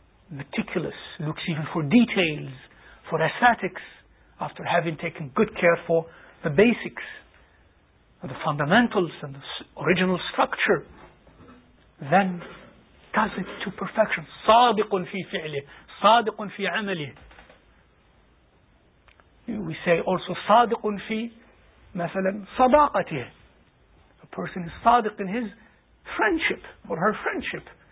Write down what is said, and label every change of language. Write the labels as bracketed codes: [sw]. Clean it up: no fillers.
[en] Meticulous, looks even for details, for aesthetics, after having taken good care for the basics, the fundamentals and the original structure, then does it to perfection. [ar] صادقٌ في فعله صادقٌ في عمله. [en] We say also [ar] صادقٌ في مثلا صداقته. [en] A person is صادق in his friendship or her friendship.